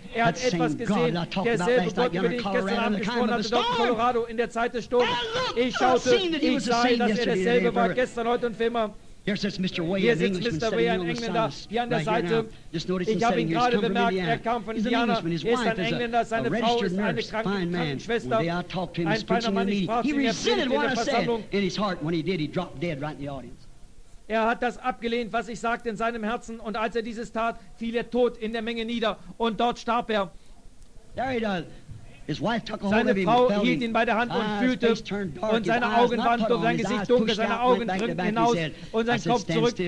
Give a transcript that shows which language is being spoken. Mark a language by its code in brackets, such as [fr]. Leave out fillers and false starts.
[de] Er hat etwas gesehen, derselbe Gott, über den ich gestern Abend gesprochen hatte, dort in Colorado in der Zeit des Sturms. Ich schaute, ich sah, dass er derselbe war, gestern, heute und für immer. Hier sitzt Mr. Way, ein Engländer, hier an der Seite. Ich habe ihn gerade bemerkt, er kam von Indiana. Er ist ein Engländer, seine Frau ist eine Krankenschwester. Ein feiner Mann, ich sprach zu ihm, er predigte in der Versammlung. [en] In his heart, when he did, he dropped dead right in the audience. [de] Er hat das abgelehnt, was ich sagte, in seinem Herzen. Und als er dieses tat, fiel er tot in der Menge nieder. Und dort starb er. [en] There he does. His wife took a hold [de] seine [en] of him, [de] Frau hielt ihn bei der Hand und fühlte und seine Augen waren durch sein Gesicht dunkel, seine Augen drückten hinaus und sein Kopf zurück.